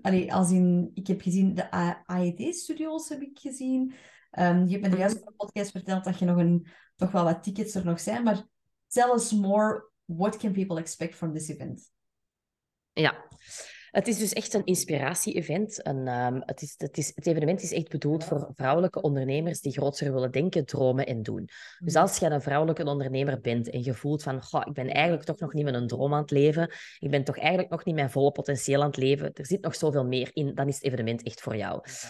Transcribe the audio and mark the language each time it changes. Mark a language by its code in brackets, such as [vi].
[nl] Allee, ik heb gezien de AED-studio's, heb ik gezien. Je hebt me juist op de podcast verteld dat je toch wel wat tickets er nog zijn. Maar [en] tell us more, what can people expect from this event? [nl] Ja. Het is dus echt een inspiratie-event. Het evenement is echt bedoeld voor vrouwelijke ondernemers die groter willen denken, dromen en doen. Dus als je een vrouwelijke ondernemer bent en je voelt van, goh, ik ben eigenlijk toch nog niet met een droom aan het leven, ik ben toch eigenlijk nog niet mijn volle potentieel aan het leven, er zit nog zoveel meer in, dan is het evenement echt voor jou.